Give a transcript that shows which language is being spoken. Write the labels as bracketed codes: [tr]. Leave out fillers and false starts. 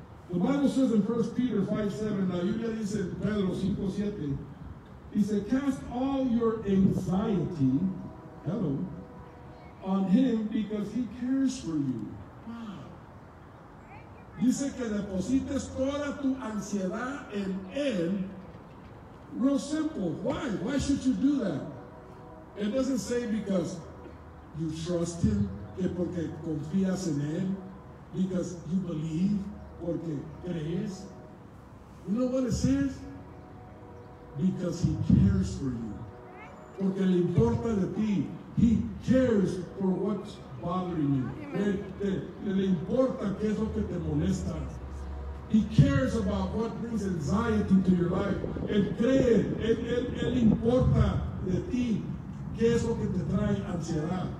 [en] The Bible says in 1 Peter 5:7, [es] la Biblia dice, Pedro 5:7, [en] he said, cast all your anxiety, hello, on Him because He cares for you. [es] Dice que deposites toda tu ansiedad en Él. [en] Real simple. Why? Why should you do that? It doesn't say because you trust Him, [es] que porque confías en Él, [en] because you believe, [es] porque crees. [en] You know what it says? Because He cares for you. [es] Porque le importa de ti. [en] He cares for what bothering you. [es] Le importa que es lo que te molesta. [en] He cares about what brings anxiety to your life. [es] Él cree, él importa de ti que es lo que te trae ansiedad.